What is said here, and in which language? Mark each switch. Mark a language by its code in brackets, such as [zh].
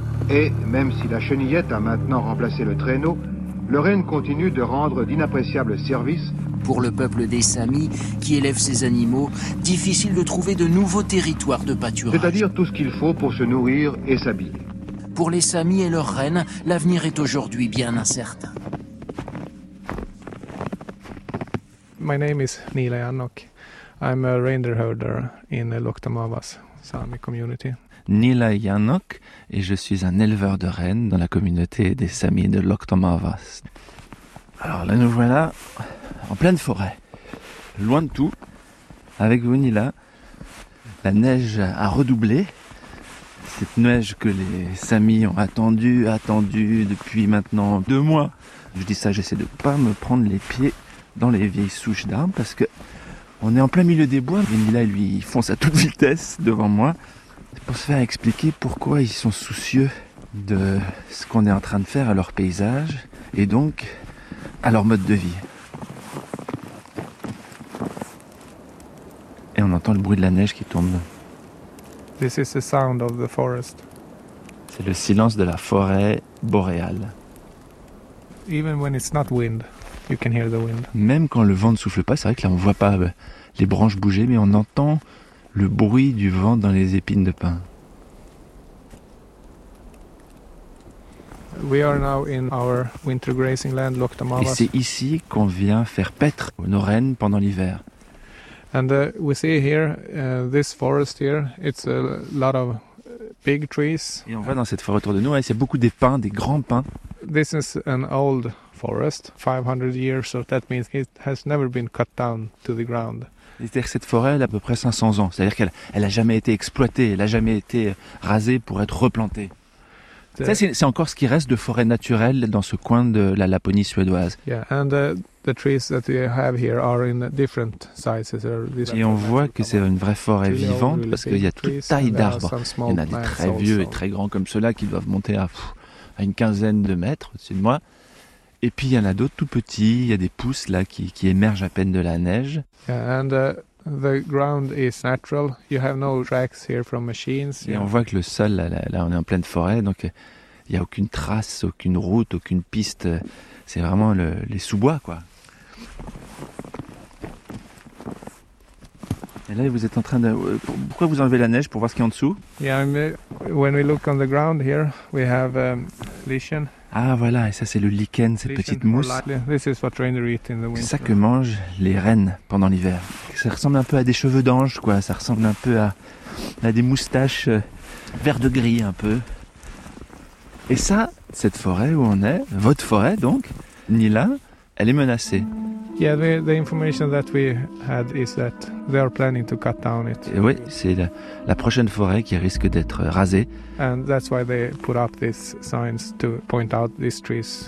[fr] Et même si la chenillette a maintenant remplacé le traîneau, le renne continue de rendre d'inappréciables services pour le peuple des Samis qui élève ces animaux, difficile de trouver de nouveaux territoires de pâturage. C'est-à-dire tout ce qu'il faut pour se nourrir et s'habiller. Pour les Samis et leurs rennes, l'avenir est aujourd'hui bien incertain. [en] My name is Nile Annok. I'm a reindeer herder in the Loktamavas Sami community. [fr] Nila Yanok, et je suis un éleveur de rennes dans la communauté des Samis de Loktamavas. Alors là, nous voilà en pleine forêt, loin de tout, avec vous Nila. La neige a redoublé, cette neige que les Samis ont attendue depuis maintenant 2 mois. Je dis ça, j'essaie de pas me prendre les pieds dans les vieilles souches d'arbres parce que on est en plein milieu des bois, mais Nila lui fonce à toute vitesse devant moi. C'est pour se faire expliquer pourquoi ils sont soucieux de ce qu'on est en train de faire à leur paysage et donc à leur mode de vie. Et on entend le bruit de la neige qui tombe. [en] This is the sound of the forest. [fr] C'est le silence de la forêt boréale. [en] Even when it's not wind, you can hear the wind. [fr] Même quand le vent ne souffle pas, c'est vrai que là on voit pas les branches bouger, mais on entend le bruit du vent dans les épines de pin. [en] We are now in our winter grazing land, Loktamavas. [fr] Et c'est ici qu'on vient faire paître nos rennes pendant l'hiver. [en] And we see here this forest here, it's a lot of big trees. [fr] Et on voit dans cette forêt autour de nous, c'est beaucoup des pins, des grands pins. [en] This is an old forest, 500 years, so that means it has never been cut down to the ground. [fr] C'est-à-dire que cette forêt elle a à peu près 500 ans, c'est-à-dire qu'elle n'a jamais été exploitée, elle n'a jamais été rasée pour être replantée. Ça, c'est encore ce qui reste de forêt naturelle dans ce coin de la Laponie suédoise. Et on voit que c'est une vraie forêt vivante parce qu'il y a toutes tailles d'arbres. Il y en a des très vieux et très grands comme ceux-là qui doivent monter à une quinzaine de mètres au-dessus de moi. Et puis il y en a d'autres tout petits, il y a des pousses là qui émergent à peine de la neige. Et on voit que le sol, là on est en pleine forêt, donc il n'y a aucune trace, aucune route, aucune piste, c'est vraiment les sous-bois quoi. Et là, vous êtes en train de... Pourquoi vous enlevez la neige pour voir ce qu'il y a en dessous? [en] When we look on the ground here, we have lichen. [fr] Ah voilà, et ça c'est le lichen, cette lichen petite mousse. [en] This is what reindeer eat in the winter. [fr] C'est ça que mangent les rennes pendant l'hiver. Ça ressemble un peu à des cheveux d'ange, quoi. Ça ressemble un peu à des moustaches vert de gris, un peu. Et ça, cette forêt où on est, votre forêt donc, Nila, elle est menacée. [en] Yeah, the information that we had is that they are planning to cut down it. [fr] Et oui, c'est la prochaine forêt qui risque d'être rasée. [en] And that's why they put up these signs to point out these trees.